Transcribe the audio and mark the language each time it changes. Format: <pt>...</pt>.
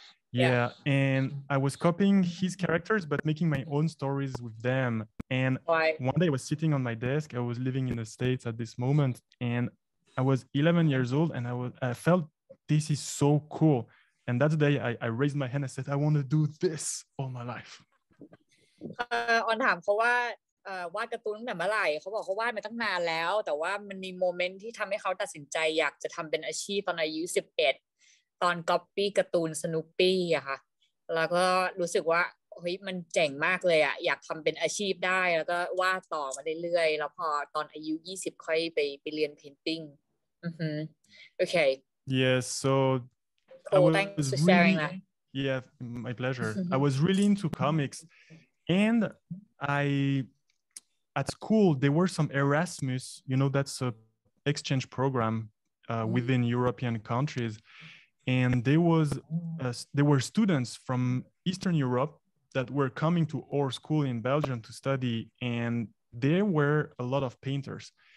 <en>Yeah, and I was copying his characters, but making my own stories with them. And one day I was sitting on my desk. I was living in the States at this moment, and I was 11 years old, and I felt this is so cool. And that day I raised my hand and said, I want to do this all my life.</en> <th>On ถามเขาว่าวาดการ์ตูนตั้งแต่เมื่อไหร่เขาบอกเขาวาดมาตั้งนานแล้วแต่ว่ามันมีโมเมนต์ที่ทำให้เขาตัดสินใจอยากจะทำเป็นอาชีพตอนอายุ 11ตอนก๊อปปี้การ์ตูนสนุปปี้อะค่ะแล้วก็รู้สึกว่าเฮ้ยมันเจ๋งมากเลยอะอยากทำเป็นอาชีพได้แล้วก็วาดต่อมาเรื่อยๆแล้วพอตอนอายุ20ค่อยไปเรียนเพนติ้งโอเค</th> <en>Yes so cool. I was thanks for sharing really, that. Yeah my pleasure I was really into comics and I at school there were some Erasmus you know that's a exchange program within European countriesAnd there were students from Eastern Europe that were coming to our school in Belgium to study, and there were a lot of painters.</en>